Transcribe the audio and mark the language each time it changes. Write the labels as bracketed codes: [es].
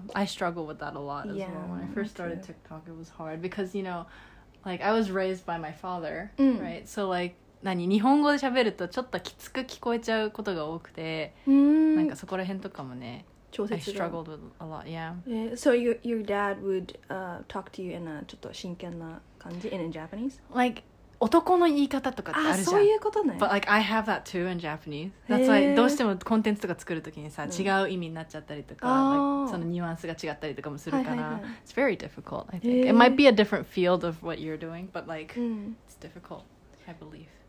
[en] Yeah, I struggle with that a lot as well. When I first started TikTok, it was hard because, you know, like I was raised by my father, right? So like, [ja] 何日本語で喋るとちょっときつく聞こえちゃうことが多くて、なんかそこら辺とかもね。 [en] I struggled with a lot, yeah. So your dad would talk to you in a [ja] ちょっと真剣な感じ [en] in Japanese? Like, [ja] 男の言い方とかってあるじゃん。あ、そういうことね。 [en] But like, I have that too in Japanese. That's why [ja] どうしてもコンテンツとか作るときにさ、違う意味になっちゃったりとか、そのニュアンスが違ったりとかもするから。はいはいはい。 [en] It's very difficult, I think. It might be a different field of what you're doing, but like, it's difficult, I believe.